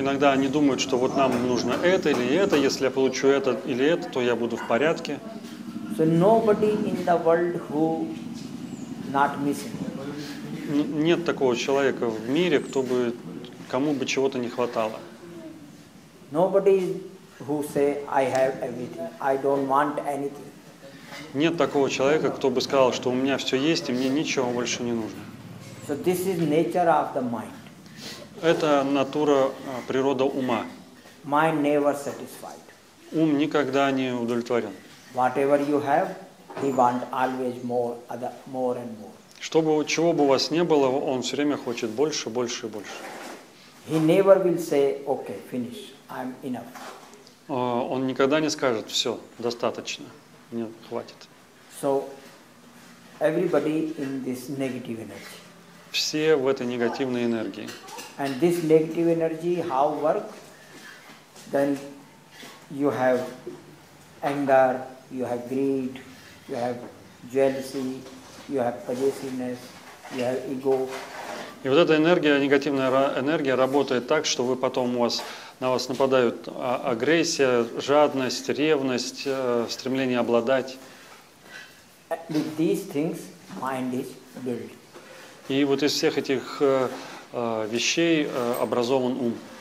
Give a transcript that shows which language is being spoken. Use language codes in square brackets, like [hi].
[ru] Иногда они думают, что вот нам нужно это или это. Если я получу это или это, то я буду в порядке. [en] So nobody in the world who not missing. [ru] Нет такого человека в мире, кому бы чего-то не хватало. [en] Nobody who say I have everything, I don't want anything. [ru] Нет такого человека, кто бы сказал, что у меня все есть, и мне ничего больше не нужно. [en] So this is nature of the mind. [ru] Это натура, природа ума. [en] Mind never satisfied. [ru] Ум никогда не удовлетворен. [en] Whatever you have, he want always more and more. [ru] Чего бы у вас не было, он все время хочет больше, больше и больше. [en] He never will say, okay, finish, I'm enough. [ru] Он никогда не скажет, все, достаточно. Нет, хватит. [en] So everybody in this negative energy. [ru] Все в этой негативной энергии. [en] And this negative energy how work? Then you have anger, you have greed, you have jealousy, you have possessiveness, you have ego. [ru] И вот эта энергия, негативная энергия работает так, что вы потом на вас нападают агрессия, жадность, ревность, стремление обладать. [en] With these things, mind is built. [ru] И вот из всех этих вещей образован ум.